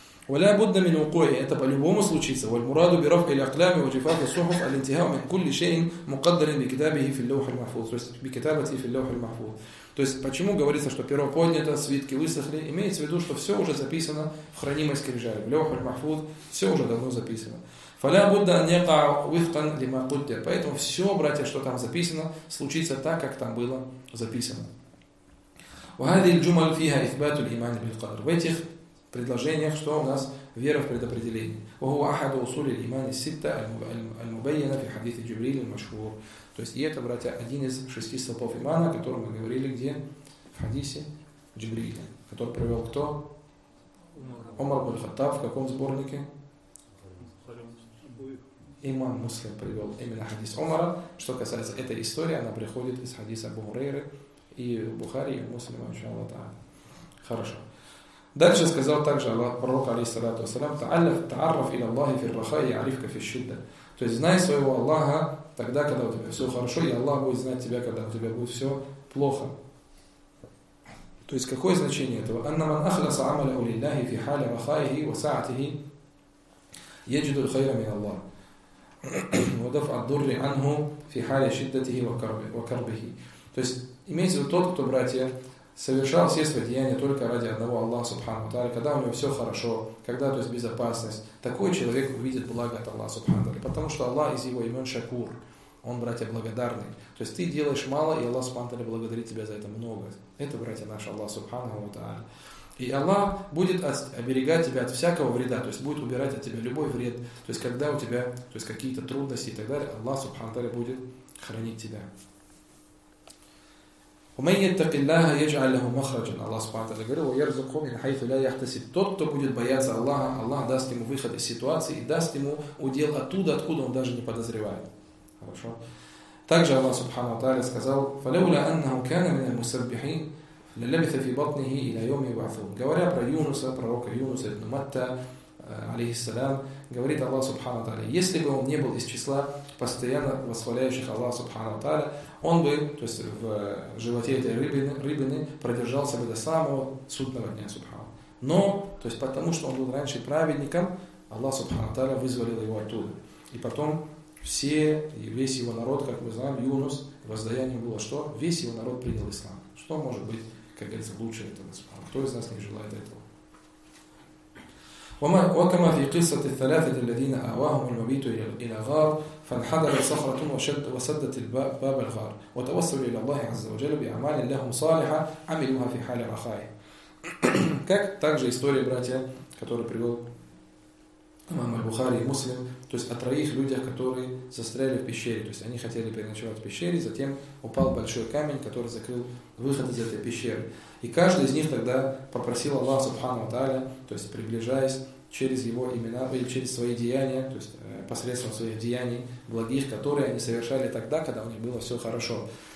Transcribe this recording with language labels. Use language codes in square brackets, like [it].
[ar] ولا بد من وقوعه [ru] это по-любому случится [ar] والمراد برفع الاقلام وجفاف الصحف الانتهاء من كل شيء مقدر بكتابه في اللوح المحفوظ [ru] то есть [ar] بكتابته في اللوح المحفوظ [ru] то есть почему говорится что перо поднято свитки высохли имеется в виду что всё уже записано в хранимой скрижали в лёх аль-махфуз всё уже давно записано [ar] فلا بد ان يقع وفقا لما قدر [ru] поэтому всё братья что там записано случится так как там было записано. [ar] وهذه الجمل فيها إثبات الإيمان بالقدر. وفي [ru] этих предложениях что у нас вера в предопределение. [ar] وهو أحد أصول الإيمان الستة المبينة في حديث جبريل المشهور. [ru] То есть и это, братья, один из шести столпов имана, о котором мы говорили, где в хадисе Джибрила, который привел кто? Умар ибн аль-Хаттаб. В каком сборнике? Имам Муслим привел именно хадис Умара. Что касается этой истории, она приходит из хадиса Абу Хурейры и Бухари, и Муслима, иншаллах та'ала. Хорошо. Дальше сказал также Аллах, пророк, алейхиссалату ассалям, [ar] «Та'арраф иля Аллахи фир-раха и арифка фир-шидда». [ru] То есть знай своего Аллаха тогда, когда у тебя все хорошо, и Аллах будет знать тебя, когда у тебя будет все плохо. То есть какое значение этого? [ar] «Анна ман ахласа амаляху лиллахи фи халя рахаихи ва саатихи яджиду лхайра мин Аллах». ودفع الضر عنه في حال شدته وكربه. [ru] То есть имеется в виду тот, кто, братья, совершал все свои деяния только ради одного Аллаха Субхану Тааля, когда у него все хорошо, когда, то есть, безопасность, такой человек увидит благо от Аллаха Субхану Тааля, потому что Аллах из его имен Шакур, он, братья, благодарный. То есть ты делаешь мало, и Аллах Субхану Тааля благодарит тебя за это много. Это, братья, наш Аллах Субхану Тааля. И Аллах будет оберегать тебя от всякого вреда, то есть будет убирать от тебя любой вред. То есть когда у тебя, то есть какие-то трудности и так далее, Аллах Субхану Тааля будет хранить тебя. [ar] وَمَنْ يَتَّقِ اللَّهَ يَجْعَلْ لَهُ مَخْرَجًا. [ru] Аллах Субхану Тааля говорил: [ar] وَيَرْزُقْهُ مِنْ حَيْثُ لَا يَحْتَسِبْ. [ru] Тот, кто будет бояться Аллаха, Аллах даст ему выход из ситуации и даст ему удел оттуда, откуда он даже не подозревает. Хорошо. Также Аллах Субхану Тааля сказал: [ar] فَلَوْلَا أَنَّهُ كَانَ مِنَ الْمُسَبِّحِينَ لَلَبِثَ فِي بَطْنِهِ إِلَى يَوْمِ يُبْعَثُونَ. [ru] Говоря про Юнуса, пророка Юнуса ибн Матта, алейхиссалям, говорит Аллах Субхану Тааля: если бы он не был из числа постоянно восхваляющих Аллах Субхану Тааля, он бы, то есть в животе этой рыбины, продержался бы до самого судного дня Субхану. Но, то есть потому что он был раньше праведником, Аллах Субхану Тааля вызволил его оттуда. И потом все, весь его народ, как мы знаем, Юнус, воздаяние было что? Весь его народ принял ислам. Что может быть, как говорится, лучше этого? Кто из нас не желает этого? [ar] وكما في قصة الثلاثة الذين آواهم المبيت إلى غار فانحدرت صخرة وسدت باب الغار وتوسلوا إلى الله عز وجل بأعمال لهم صالحة عملوها في حال رخائه. [ru] Как также история, братья, которую привел имам аль-Бухари и Муслим, то есть о троих людях, которые застряли в пещере, то есть они хотели переночевать в пещере, затем упал большой камень, который закрыл выход из этой пещеры. И каждый из них тогда попросил Аллаха Субхану Тааля, то есть приближаясь через его имена или через свои деяния, то есть посредством своих деяний благих, которые они совершали тогда, когда у них было все хорошо.